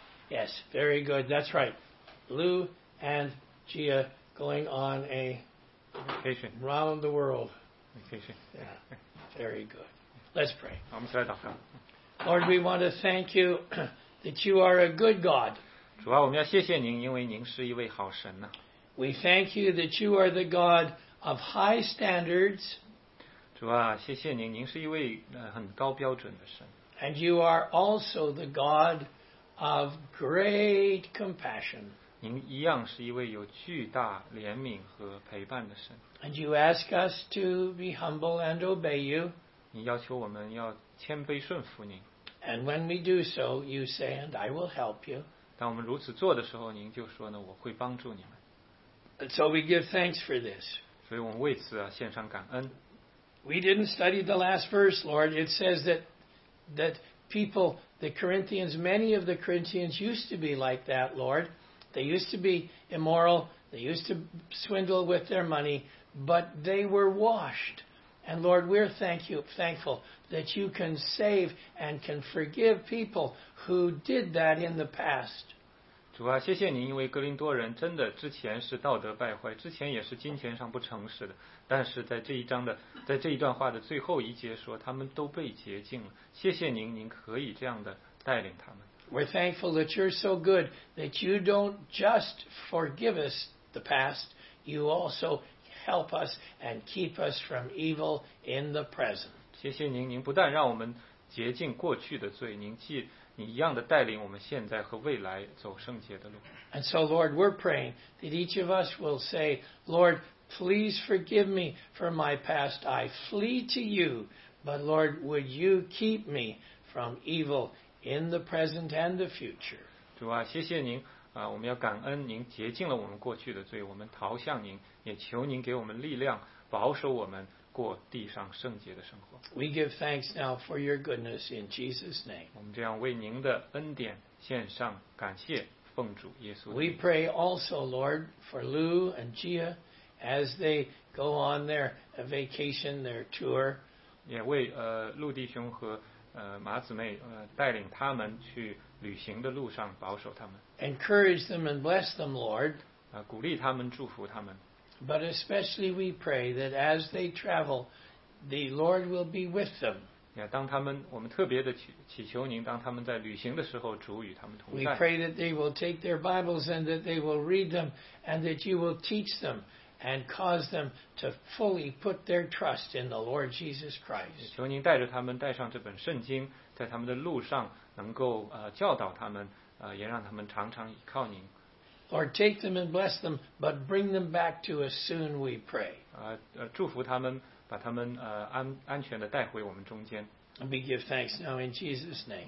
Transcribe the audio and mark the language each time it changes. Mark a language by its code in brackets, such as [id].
[en] Yes. Yes. Very good. That's right. Lou and Gia going on a vacation round the world. Vacation. Yeah. Very good. Let's pray. [zh] 我们起来祷告。 [en] Lord, we want to thank you that you are a good God. [zh] 主啊，我们要谢谢您，因为您是一位好神呢。 [en] We thank you that you are the God of high standards. [zh] 主啊，谢谢您，您是一位很高标准的神。 [en] And you are also the God of great compassion. [zh] 您一样是一位有巨大怜悯和陪伴的神。 [en] And you ask us to be humble and obey you. [zh] 你要求我们要谦卑顺服您。 [en] And when we do so, you say, "And I will help you." [zh] 当我们如此做的时候，您就说呢，我会帮助你们。 [en] So we give thanks for this. [zh] 所以我们为此啊献上感恩。 [en] We didn't study the last verse, Lord. It says that people, the Corinthians, many of the Corinthians used to be like that, Lord. They used to be immoral. They used to swindle with their money, but they were washed. And Lord, we're thankful that you can save and can forgive people who did that in the past. [zh] 主啊，谢谢您，因为哥林多人真的之前是道德败坏，之前也是金钱上不诚实的，但是在这一章的，在这一段话的最后一节说，他们都被洁净了。谢谢您，您可以这样的带领他们。 [en] We're thankful that you're so good that you don't just forgive us the past, you also help us and keep us from evil in the present. [zh] 谢谢您，您不但让我们洁净过去的罪，您既你一样的带领我们现在和未来走圣洁的路。 [en] And so, Lord, we're praying that each of us will say, Lord, please forgive me for my past. I flee to you, but Lord, would you keep me from evil in the present and the future? [zh] 主啊，谢谢您啊，我们要感恩您洁净了我们过去的罪，我们逃向您，也求您给我们力量，保守我们。 [en] We give thanks now for your goodness in Jesus' name. [zh] 我们这样为您的恩典献上感谢，奉主耶稣。 [en] We pray also, Lord, for Lou and Gia as they go on their vacation, their tour. [zh] 也为陆弟兄和马姊妹带领他们去旅行的路上保守他们。 [en] Encourage them and bless them, Lord. [zh] 鼓励他们，祝福他们。 [en] But especially we pray that as they travel, the Lord will be with them. [zh] Yeah, 当他们我们特别的祈求您，当他们在旅行的时候，主与他们同在。 [en] We pray that they will take their Bibles and that they will read them, and that you will teach them and cause them to fully put their trust in the Lord Jesus Christ. [zh] 求您带着他们带上这本圣经，在他们的路上能够教导他们，也让他们常常依靠您。 [en] Lord, take them and bless them, but bring them back to us soon, we pray. [zh] 祝福他们，把他们安全的带回我们中间。 [en] And we give thanks now in Jesus' name.